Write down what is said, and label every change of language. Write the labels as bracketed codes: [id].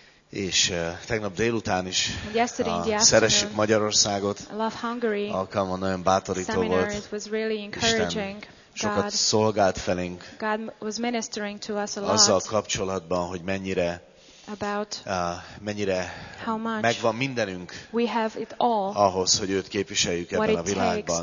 [hu] És tegnap délután is szeressük Magyarországot. [en] Love Hungary. [hu] Alkalma nagyon bátorító volt. [en] It was really encouraging. [hu] Sokat szolgált felénk. [en] God was ministering to us a lot. [hu] Azzal kapcsolatban, hogy mennyire [en] about [hu] mennyire [en] how much [hu] megvan mindenünk [en] we have it all, [hu] ahhoz, hogy őt képviseljük ebben a világban,